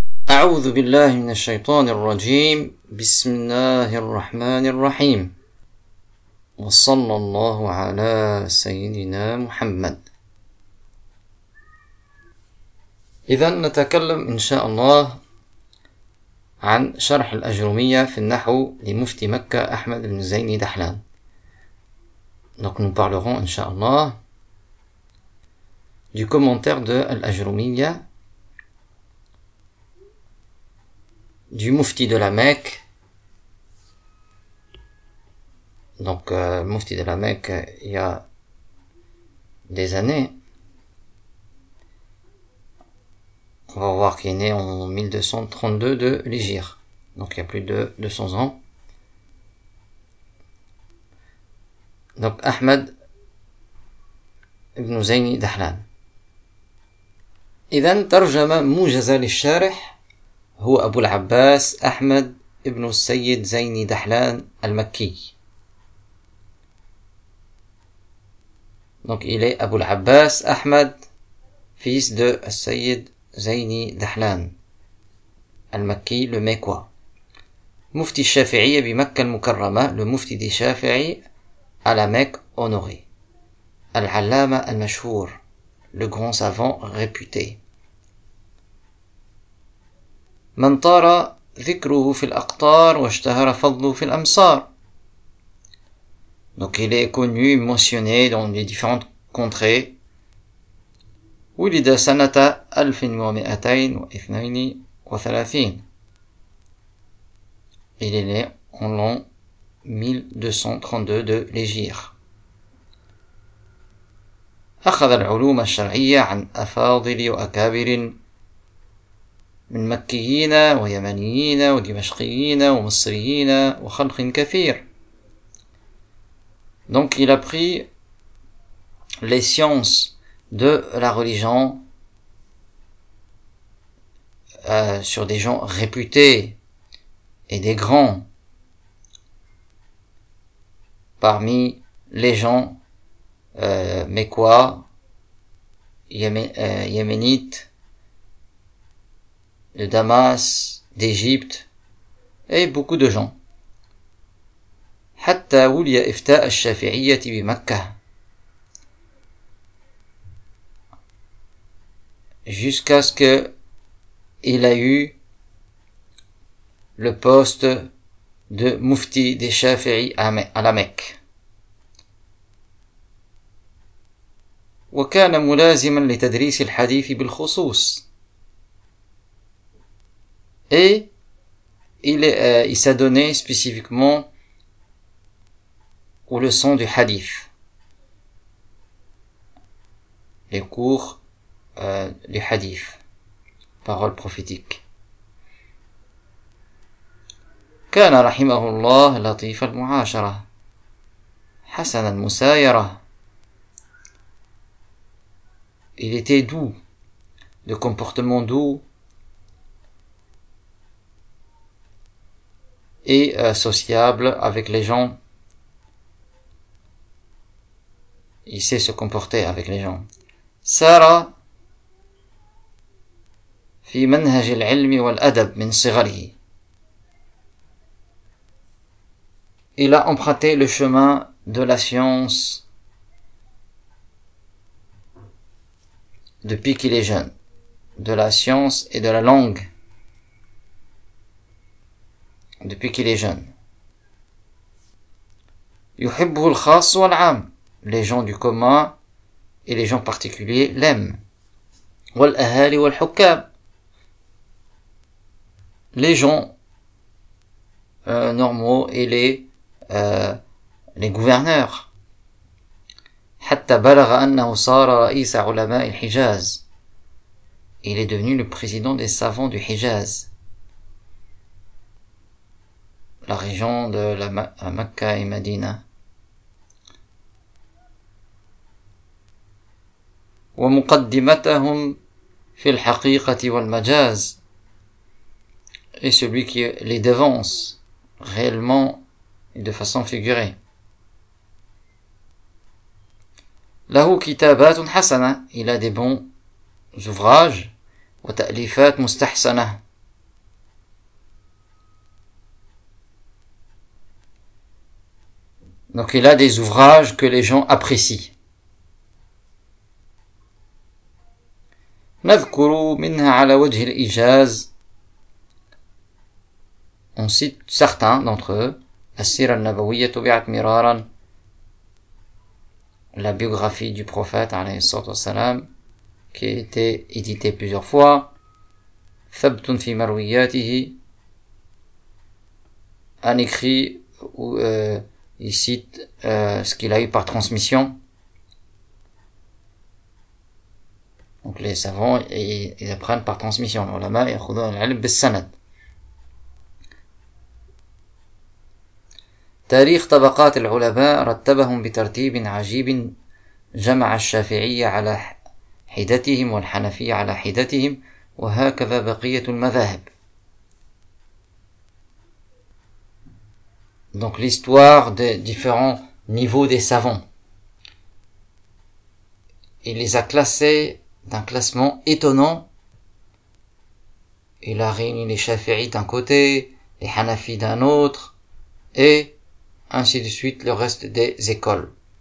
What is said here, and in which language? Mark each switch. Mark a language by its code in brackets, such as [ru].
[ar] أعوذ بالله من الشيطان الرجيم بسم الله الرحمن الرحيم وصلى الله على سيدنا محمد. إذن نتكلم إن شاء الله عن شرح الأجرمية في النحو لمفتي مكة أحمد بن زين دحلان. [fr] Donc nous parlerons [ar] إن شاء الله [fr] du commentaire de الأجرمية du mufti de la Mecque. Donc mufti de la Mecque il y a des années, on va voir qu'il est né en 1232 de l'Hégire, donc il y a plus de 200 ans. Donc Ahmed ibn Zaini Dahlan. [ar] إذن ترجم موجز للشارح هو أبو العباس أحمد ابن السيد زيني دحلان المكي. [fr] Donc il est أبو العباس أحمد fils de السيد زيني دحلان المكي le mécois. [ar] مفتي الشافعية بمكة المكرمة [fr] le مفتي دي شافعي à la Mecque honorée. [ar] العلامة المشهور [fr] le grand savant réputé. [ar] من طار ذكره في الأقطار واشتهر فضله في الأمصار. [fr] Donc il est connu, mentionné dans les différentes contrées. [ar] ولد سنة 1232. [fr] Il est né en l'an 1232 de l'Hégire. [ar] أخذ العلوم الشرعية عن أفاضل وأكابر من مكيين ويمنيين ودمشقيين ومصريين وخلق كثير. [fr] Donc il a pris les sciences de la religion sur des gens réputés et des grands parmi les gens mécois, yéménites de Damas, d'Égypte, et beaucoup de gens. [ar] حتى ولي إفتاء الشافعية بمكة. [fr] Jusqu'à ce que il a eu le poste de mufti des Shafi'i à la Mecque. [ar] وكان ملازما لتدريس الحديث بالخصوص. [fr] Et il s'est donné spécifiquement aux leçons du hadith, les cours du hadith, parole prophétique. [ar] كان رحمه الله لطيف المعاشرة حسن المسايرة. [fr] Il était doux, de comportement doux. Et sociable avec les gens. Il sait se comporter avec les gens. [ar] Sara fi manhaj al-ilm wal-adab min sigharihi. [fr] Il a emprunté le chemin de la science depuis qu'il est jeune, de la science et de la langue. Depuis qu'il est jeune. [ar] يحبه الخاص والعام. [fr] Les gens du commun et les gens particuliers l'aiment. [ar] والأهالي والحكام. [fr] Les gens normaux et les gouverneurs. [ar] حتى بلغ أنه صار رئيس علماء الحجاز. [fr] Il est devenu le président des savants du Hijaz. La région de la Mecca et Medina. [ar] ومقدمتهم في الحقيقة والمجاز. [fr] Et celui qui les devance réellement et de façon figurée. [ar] له كتابات حسنة. [fr] Il a des bons ouvrages. [ar] وتأليفات مستحسنة. [fr] Donc il a des ouvrages que les gens apprécient. [ar] نذكر منها على وجه الإيجاز. [fr] On cite certains d'entre eux. [ar] السيرة النبوية طبعت مرارا. [fr] La biographie du prophète [ar] عليه الصلاة والسلام [fr] qui a été édité plusieurs fois. [ar] ثبت في مروياته. [fr] Un écrit où il cite ce qu'il a eu par transmission. Donc les savants, ils apprennent par transmission. L'ulama, ils prennent l'ilm bis-sanad. [ar] تاريخ طبقات العلماء رتبهم بترتيب عجيب جمع الشافعية على حدتهم والحنفية على حدتهم وهكذا بقية المذاهب. [fr] Donc l'histoire des différents niveaux des savants. Il les a classés d'un classement étonnant. Il a réuni les Shafi'is d'un côté, les Hanafis d'un autre, et ainsi de suite le reste des écoles.